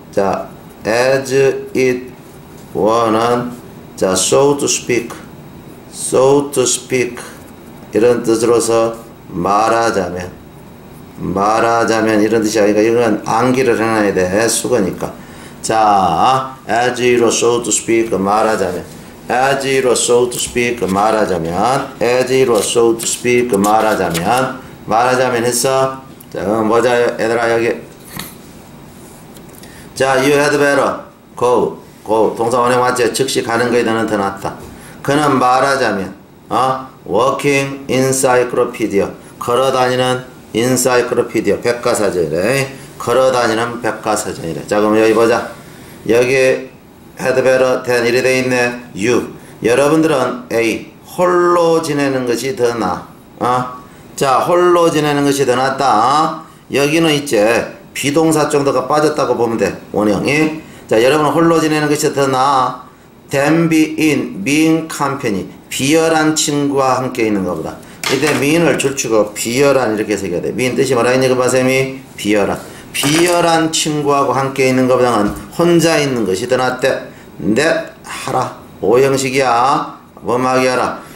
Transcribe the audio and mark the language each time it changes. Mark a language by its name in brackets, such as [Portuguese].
[Korean] 자, [English] as it was [Korean] 는, 자, [English] so to speak, [Korean] so to speak 이런 뜻으로서 말하자면, 말하자면 이런 뜻이야. 그러니까 이건 암기를 해놔야 돼, 숙어니까. [English] 자, as it was, so to speak, [Korean] 말하자면. [English] As it was, so to speak, [Korean] 말하자면. [English] As it was, so to speak, 말하자면. [Korean] 말하자면 했어? 자, 그럼 보자, 얘들아, 여기. [English] 자, you had better go. go. [Korean] 동사 원형 맞지? 즉시 가는 거에 너는 더 낫다. 그는 말하자면, 어? [English] Walking encyclopedia. [Korean] 걸어 다니는 encyclopedia. 백과사전이래. 걸어 다니는 백과사전이래. 자, 그럼 여기 보자. 여기에 [English] had better than [Korean] 이래 돼 있네. you. 여러분들은 A. 홀로 지내는 것이 더 나아. 어? 자, 홀로 지내는 것이 더 낫다. 여기는 이제 비동사 정도가 빠졌다고 보면 돼, 원형이. 자, 여러분은 홀로 지내는 것이 더 나아. [English] than be in, being company. [Korean] 비열한 친구와 함께 있는 것보다. 이때 mean을 줄추고 비열한 이렇게 새겨야 돼. mean 뜻이 뭐라 했냐, 선생님이? 비열한. 비열한 친구하고 함께 있는 것보다는 혼자 있는 것이 더 낫대. 네, 하라. 오형식이야. 뭐하게 하라.